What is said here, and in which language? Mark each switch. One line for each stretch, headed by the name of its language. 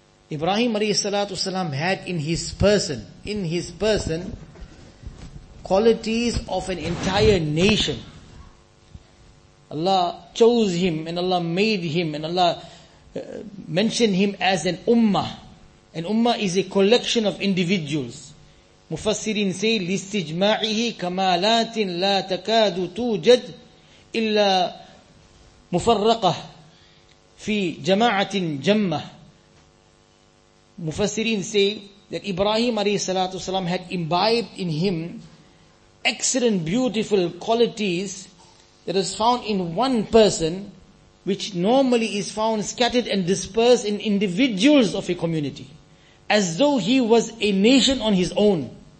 English: Ibrahim alayhi salatu wasalam had in his person, qualities of an entire nation. Allah chose him and Allah made him and Allah mentioned him as an ummah. An ummah is a collection of individuals. Mufassirin say,
Arabic: لِسْتِجْمَعِهِ كَمَالَاتٍ لَا تَكَادُ تُوجَدْ إِلَّا مُفَرَّقَهْ في جماعة جمة.
English: Mufassirin say that Ibrahim alayhi salatu wasalam had imbibed in him excellent, beautiful qualities that is found in one person, which normally is found scattered and dispersed in individuals of a community, as though he was a nation on his own.